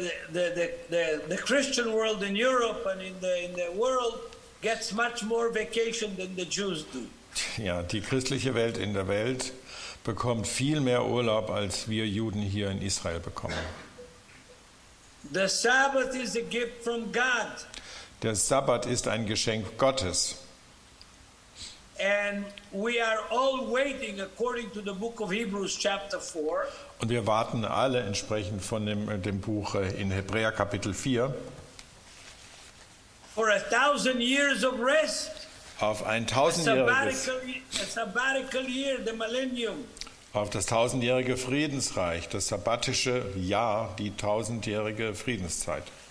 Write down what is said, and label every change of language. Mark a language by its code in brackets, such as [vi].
[en] The Christian world in Europe and in the world gets much more vacation than the Jews do. [de] Ja, die christliche Welt in der Welt bekommt viel mehr Urlaub als wir Juden hier in Israel bekommen. [en] The Sabbath is a gift from God. [de] Der Sabbat ist ein Geschenk Gottes. [en] And we are all waiting according to the book of Hebrews chapter 4. [de] Und wir warten alle entsprechend von dem Buch in Hebräer Kapitel 4. [en] For 1000 years of rest. [de] Auf ein tausendjähriges [en] sabbatical year, the millennium. [de] Auf das tausendjährige Friedensreich, das sabbatische Jahr, die tausendjährige Friedenszeit.